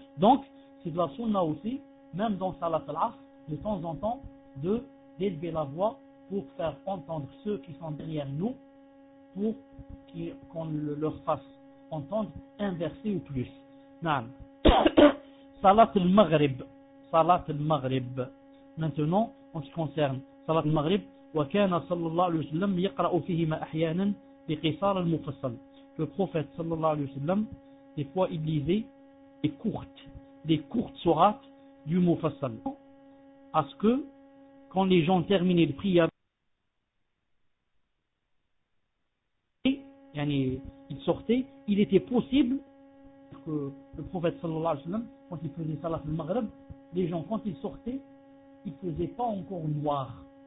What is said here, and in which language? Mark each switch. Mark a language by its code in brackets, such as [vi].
[fr] Donc, c'est de la sunna aussi, même dans Salat al-Asr, de temps en temps, d'élever la voix pour faire entendre ceux qui sont derrière nous, pour qu'on leur fasse entendre un verset ou plus. [ar] Naam. Salat al-Maghrib. Salat al-Maghrib. [fr] Maintenant, en ce qui concerne Salat al-Maghrib, [ar] وكان صلى الله عليه وسلم يقرأ فيهما أحيانا بقصار المفصل. [fr] Le prophète [ar] صلى الله عليه وسلم, [fr] des fois il lisait des courtes sourates du Mufassal. À ce que, quand les gens terminaient le prière, ils sortaient, il était possible que le prophète [ar] صلى الله عليه وسلم, [fr] quand il faisait Salat al-Maghrib, les gens, quand ils sortaient, ils ne faisaient pas encore noir.